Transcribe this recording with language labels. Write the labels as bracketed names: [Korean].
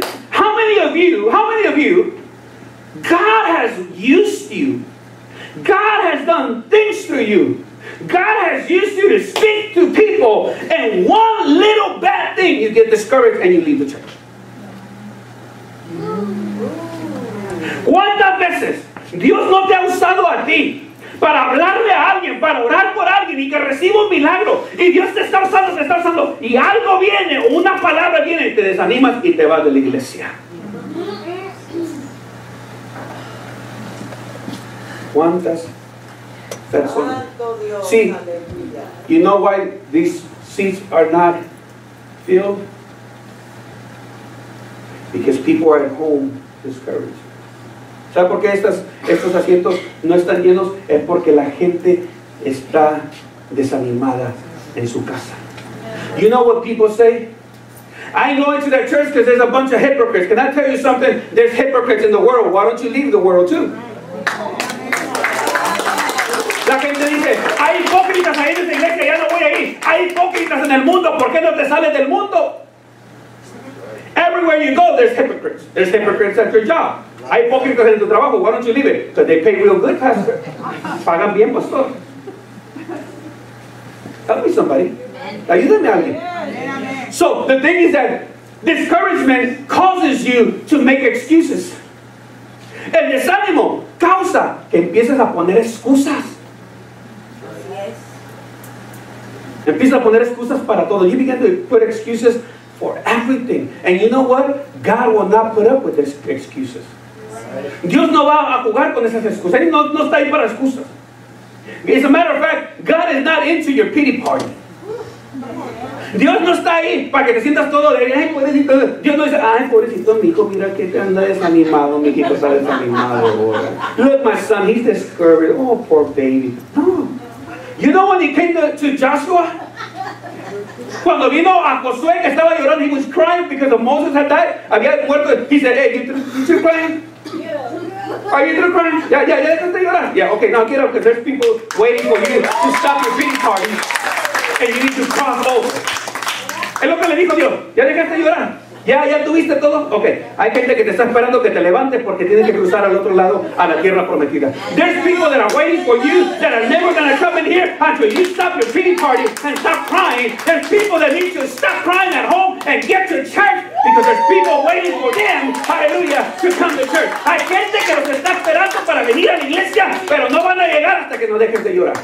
[English] How many of you, God has used you. God has done things through you. God has used you to speak to people, and one little bad thing, you get discouraged and you leave the church. [Spanish] ¿Cuántas veces Dios no te ha usado a ti para hablarle a alguien, para orar por alguien y que reciba un milagro? Y Dios te está usando, y algo viene, una palabra viene y te desanimas y te vas de la iglesia. ¿Cuántas personas? Sí. [English] You know why these seats are not filled? Because people are at home discouraged. [Spanish] ¿Sabes por qué estos asientos no están llenos? Es porque la gente está desanimada en su casa. [English] You know what people say? I ain't going to that church because there's a bunch of hypocrites. Can I tell you something? There's hypocrites in the world. Why don't you leave the world too? [Spanish] La gente dice, hay hipócritas ahí en esa iglesia, ya no voy a ir. Hay hipócritas en el mundo, ¿por qué no te sales del mundo? [English] Everywhere you go, there's hypocrites. There's hypocrites at your job. [Spanish] Hay hipócritas en tu trabajo. [English] Why don't you leave it? Because they pay real good, pastor. [Spanish] Pagan bien, pastor. [English] Help me, somebody. [Spanish] Ayúdame a alguien. [English] So the thing is that discouragement causes you to make excuses. [Spanish] El desánimo causa que empieces a poner excusas. Empieza a poner excusas para todo. [English] You begin to put excuses for everything. And you know what? God will not put up with excuses. Right. [Spanish] Dios no va a jugar con esas excusas. Él no está ahí para excusas. [English] As a matter of fact, God is not into your pity party. [Spanish] Dios no está ahí para que te sientas todo de, ay, pobrecito. Dios no dice, ay, pobrecito, mi hijo, mira que te anda desanimado, mi hijo está desanimado. [English] Look, my son, he's discouraged. Oh, poor baby. You know when he came to Joshua? [Spanish] Cuando vino a Josué, que estaba llorando, [English] he was crying because of Moses had died. [Spanish] Había muerto. [English] He said, hey, you're crying? Yeah. Are you still crying? Yeah, yeah, yeah, [Spanish] déjate llorar. [English] Yeah, okay, now get up because there's people waiting for you to stop your pity party. And you need to cross over. [Spanish] Es lo que le dijo Dios. Ya dejaste llorar. Ya tuviste todo. Okay. Hay gente que te está esperando que te levantes porque tienes que cruzar al otro lado a la tierra prometida. [English] There's people that are waiting for you that are never going to come in here until you stop your pity party and stop crying. There's people that need to stop crying at home and get to church because there's people waiting for them, hallelujah, to come to church. [Spanish] Hay gente que los está esperando para venir a la iglesia, pero no van a llegar hasta que no dejes de llorar.